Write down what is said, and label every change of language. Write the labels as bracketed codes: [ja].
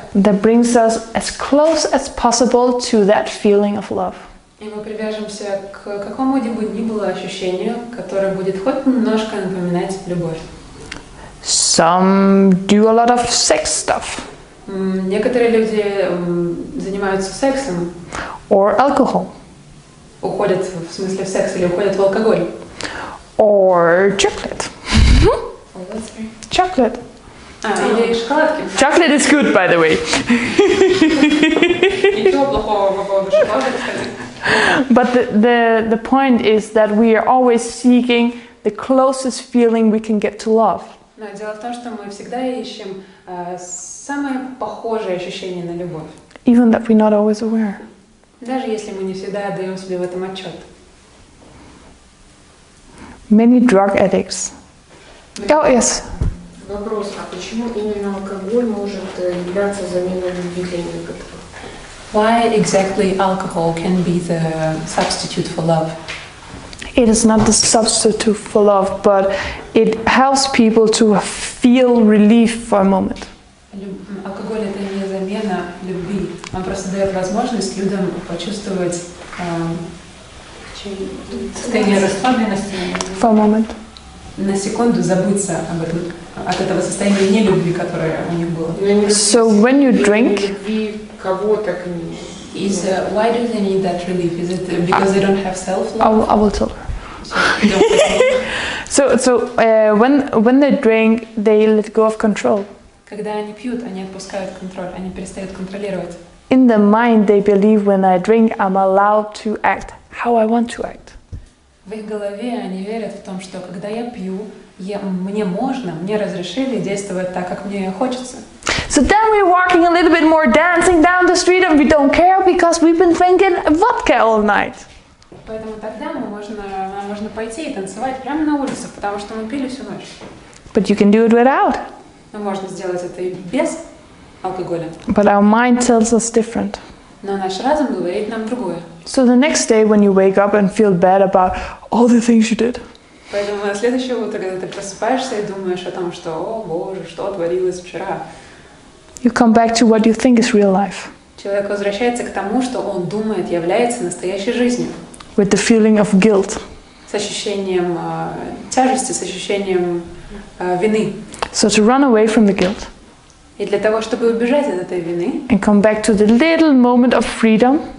[en] That brings us as close as possible to that feeling of love. [ru] И мы привяжемся к какому-нибудь ни было ощущению, которое будет хоть немножко напоминать любовь. [en] Some do a lot of sex stuff. [ru] Некоторые люди занимаются сексом. [en] Or alcohol. [ru] Уходят в смысле в секс или уходят в алкоголь. [en] Or chocolate. Chocolate. [ru] Или шоколадки. [en] Chocolate is good, by the way. [ru] Ничего плохого по поводу шоколада. [en] But the point is that we are always seeking the closest feeling we can get to love. [ru] Но дело в том, что мы всегда ищем самое похожее ощущение на любовь. [en] Even that we're not always aware. [ru] Даже если мы не всегда отдаем себе в этом отчет. [en] Many drug addicts. Oh, yes. [ru] Вопрос, а почему именно алкоголь может являться заменой любви для некоторых? [en] Why exactly alcohol can be the substitute for love? It is not the substitute for love, but it helps people to feel relief for a moment. [ru] Алкоголь это не замена любви. Он просто дает возможность людям почувствовать состояние расслабленности. [en] For a moment. [ru] На секунду забыться об этом, от этого состояния нелюбви, которое у них было. [en] So when you drink, why do they need that relief? Is it because they don't have self-love? I will tell her. So when they drink, they let go of control. [ru] Когда они пьют, они отпускают контроль, они перестают контролировать. [en] In the mind, they believe when I drink, I'm allowed to act how I want to act. [ru] В их голове они верят в том, что когда я пью, мне можно, мне разрешили действовать так, как мне хочется. [en] So then we're walking a little bit more, dancing down the street, and we don't care because we've been drinking vodka all night. [ru] Поэтому тогда можно пойти и танцевать прямо на улице, потому что мы пили всю ночь. [en] But you can do it without. [ru] Но можно сделать это и без алкоголя. [en] But our mind tells us different. [ru] Но наш разум говорит нам другое. [en] So the next day when you wake up and feel bad about all the things you did. [ru] Поэтому на следующее утро, когда ты просыпаешься и думаешь о том, что, о боже, что творилось вчера. [en] You come back to what you think is real life. [ru] Человек возвращается к тому, что он думает является настоящей жизнью. [en] With the feeling of guilt. [ru] С ощущением тяжести, с ощущением вины. [en] So to run away from the guilt. [ru] И для того, чтобы убежать от этой вины. [en] And come back to the little moment of freedom.